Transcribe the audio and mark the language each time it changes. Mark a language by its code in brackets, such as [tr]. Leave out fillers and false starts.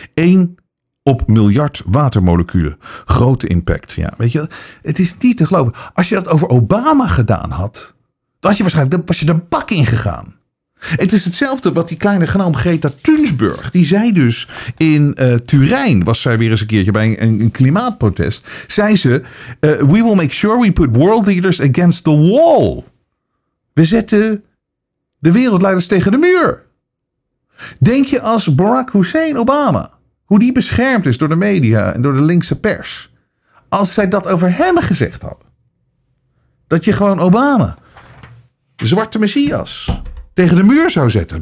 [nl] 1 op miljard watermoleculen. Grote impact. Ja, weet je, het is niet te geloven. Als je dat over Obama gedaan had, dan had je waarschijnlijk, was je de bak in gegaan. Het is hetzelfde wat die kleine genoom Greta Thunberg. Die zei dus in Turijn, was zij weer eens een keertje bij een klimaatprotest. Zei ze, [en] we will make sure we put world leaders against the wall. [nl] We zetten de wereldleiders tegen de muur. Denk je als Barack Hussein Obama, hoe die beschermd is door de media en door de linkse pers. Als zij dat over hem gezegd hadden. Dat je gewoon Obama, de zwarte messias, tegen de muur zou zetten.